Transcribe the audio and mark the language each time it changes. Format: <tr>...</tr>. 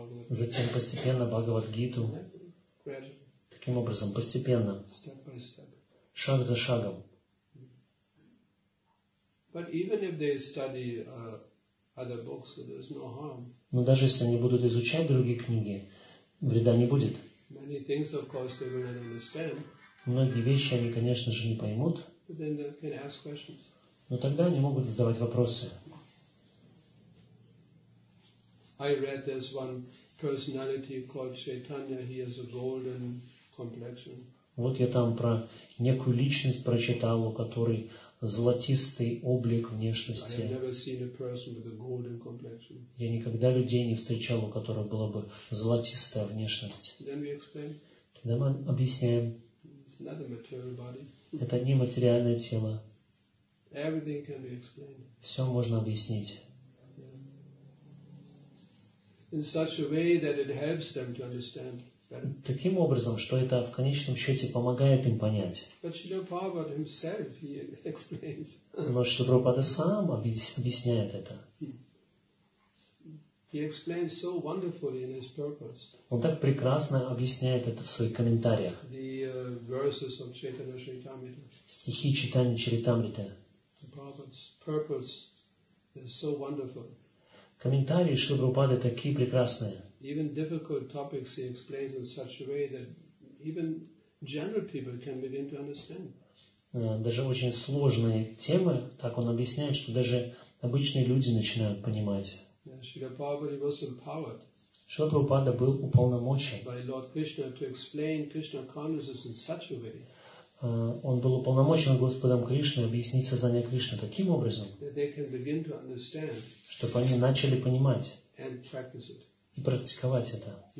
<ru>Затем постепенно Бхагавад-гиту. Таким образом, постепенно. Шаг за шагом.</ru> <en>But even if they study other books, so there's no harm.</en> <ru>Но даже если они будут изучать другие книги, вреда не будет.</ru> <en>Many things, of course, they will not understand.</en> <ru>Многие вещи они, конечно же, не поймут.</ru> <en>But then they can ask questions.</en> <ru>Но тогда они могут задавать вопросы.</ru> <en>I read there's one personality called Chaitanya. He has a golden complexion.</en> <ru>Вот я там про некую личность прочитал, у которой золотистый облик внешности.</ru> <en>I have never seen a person with a golden complexion.</en> <ru>Я никогда людей не встречал, у которых была бы золотистая внешность.</ru> <en>Then we explain.</en> <ru>Тогда мы объясняем.</ru> <en>It's not a material body.</en> <ru>Это не материальное тело.</ru> <en>Everything can be explained.</en> <ru>Все можно объяснить.</ru> <en>In such a way that it helps them to understand.</en> <ru>Таким образом, что это в конечном счете помогает им понять.</ru> <en>But Srila Prabhupada himself, he explains.</en> <ru>Но Шрила Прабхупада сам объясняет это.</ru> <en>He explains so wonderfully in his purports.</en> <ru>Он так прекрасно объясняет это в своих комментариях.</ru> <en>The verses of Chaitanya Charitamrita.</en> <ru>Стихи Чайтаньи Чаритамриты.</ru> <en>The Prabhupada's purports is so wonderful.</en> <ru>Комментарии Шрилы Прабхупады такие прекрасные.</ru> <en>Even difficult topics he explains in such a way that even general people can begin to understand.</en> <ru>Даже очень сложные темы, так он объясняет, что даже обычные люди начинают понимать.</ru> <en>Шрила Прабхупада was empowered.</en> <ru>Шрила Прабхупада был уполномочен.</ru> <en>By Lord Krishna to explain Krishna consciousness in such a way.</en> <ru>Он был уполномочен Господом Кришной объяснить сознание Кришны таким образом, чтобы они начали понимать и практиковать это.</ru>